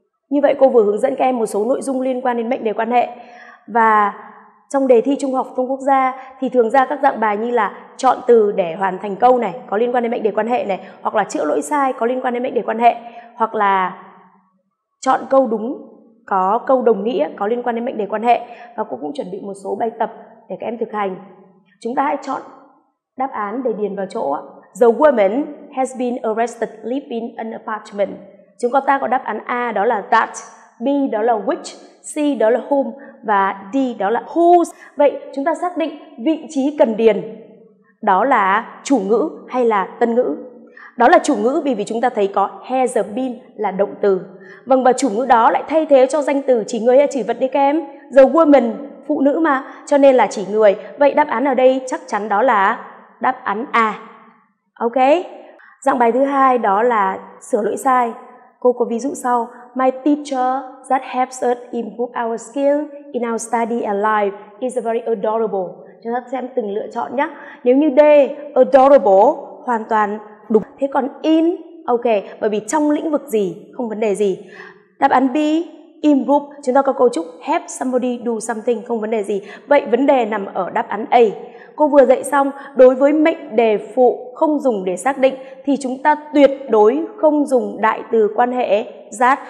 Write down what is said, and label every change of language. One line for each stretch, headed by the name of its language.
Vietnamese: Như vậy cô vừa hướng dẫn các em một số nội dung liên quan đến mệnh đề quan hệ. Và trong đề thi trung học phổ thông quốc gia thì thường ra các dạng bài như là chọn từ để hoàn thành câu này có liên quan đến mệnh đề quan hệ này, hoặc là chữa lỗi sai có liên quan đến mệnh đề quan hệ, hoặc là chọn câu đúng có câu đồng nghĩa có liên quan đến mệnh đề quan hệ. Và cô cũng chuẩn bị một số bài tập để các em thực hành. Chúng ta hãy chọn đáp án để điền vào chỗ.
English: The woman has been arrested living in an apartment.
Vietnamese: Chúng ta có đáp án A đó là that, B đó là which, C đó là whom và D đó là whose. Vậy chúng ta xác định vị trí cần điền đó là chủ ngữ hay là tân ngữ. Đó là chủ ngữ vì chúng ta thấy có has been là động từ. Vâng, và chủ ngữ đó lại thay thế cho danh từ chỉ người hay chỉ vật đi các em. The woman, phụ nữ mà, cho nên là chỉ người. Vậy đáp án ở đây chắc chắn đó là đáp án A. Ok. Dạng bài thứ hai đó là sửa lỗi sai. Cô có ví dụ sau.
English: My teacher that helps us improve our skill in our study and life is very adorable.
Vietnamese: Chúng ta xem từng lựa chọn nhé. Nếu như D, adorable, hoàn toàn đúng. Thế còn in, ok, bởi vì trong lĩnh vực gì, không vấn đề gì. Đáp án B, improve, chúng ta có cấu trúc
English: help somebody do something,
Vietnamese: không vấn đề gì. Vậy vấn đề nằm ở đáp án A. Cô vừa dạy xong, đối với mệnh đề phụ không dùng để xác định thì chúng ta tuyệt đối không dùng đại từ quan hệ that.